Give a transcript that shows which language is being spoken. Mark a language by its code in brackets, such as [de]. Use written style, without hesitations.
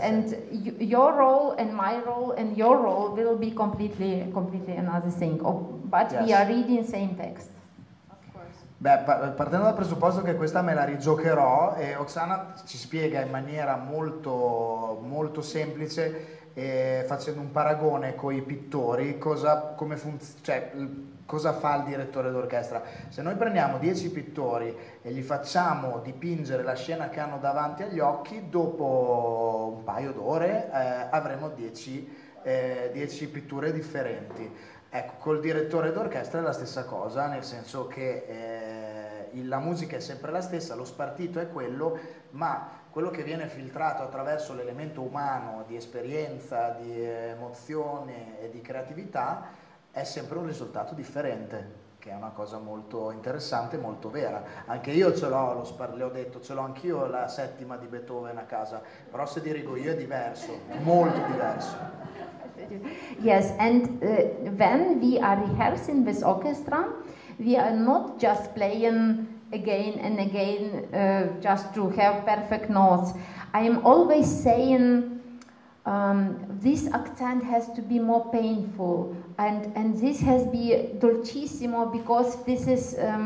[en] and your role and my role and your role will be completely another thing. But yes, we are reading the same text. Of course. [it] Beh, partendo dal presupposto che questa me la rigiocherò, e Oksana ci spiega in maniera molto molto semplice, facendo un paragone con i pittori, cosa fa il direttore d'orchestra. Se noi prendiamo 10 pittori e gli facciamo dipingere la scena che hanno davanti agli occhi, dopo un paio d'ore avremo 10 pitture differenti. Ecco, col direttore d'orchestra è la stessa cosa, nel senso che la musica è sempre la stessa, lo spartito è quello, ma quello che viene filtrato attraverso l'elemento umano di esperienza, di emozione e di creatività è sempre un risultato differente, che è una cosa molto interessante, molto vera. Anche io ce l'ho, ce l'ho anch'io la 7ª di Beethoven a casa, però se dirigo io è diverso, molto diverso. [en] Yes, and when we are rehearsing with orchestra, we are not just playing again and again just to have perfect notes. I am always saying, this accent has to be more painful, and this has to be dolcissimo, because this is